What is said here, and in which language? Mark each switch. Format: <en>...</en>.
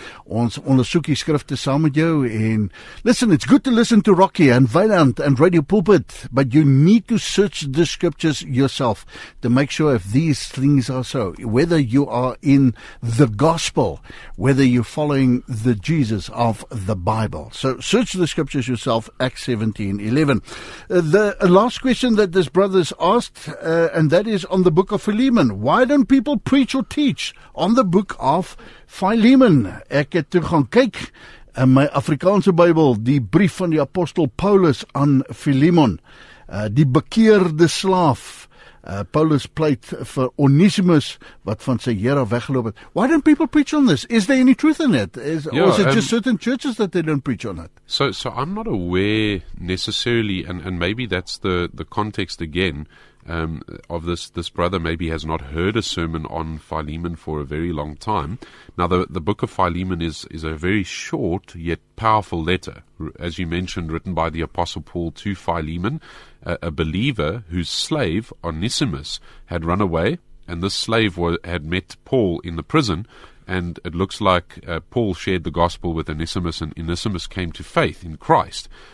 <af>Ons ondersoek die skrifte saam met jou.</af> <en>And listen, it's good to listen to Rocky and Weiland and Radio Pulpit, but you need to search the scriptures yourself to make sure if these things are so. Whether you are in the gospel, whether you're following the Jesus of the Bible. So search the scriptures yourself, Acts 17:11. The last question that this brother's asked, and that is, preaches on the book of Philemon. Why don't people preach or teach on the book of Philemon?</en> <af>Ek het toe gaan kyk in my Afrikaanse Bybel, die brief van die apostel Paulus aan Philemon, die bekeerde slaaf. Paulus pleit vir Onesimus wat van sy Here weggeloop het.</af> <en>Why don't people preach on this? Is there any truth in it? Or is it just certain churches that they don't preach on it? So I'm not aware necessarily, and maybe that's the context again, of this brother maybe has not heard a sermon on Philemon for a very long time. Now, the book of Philemon is a very short yet powerful letter, as you mentioned, written by the Apostle Paul to Philemon, a believer whose slave, Onesimus, had run away, and this slave had met Paul in the prison, and it looks like Paul shared the gospel with Onesimus, and Onesimus came to faith in Christ.</en>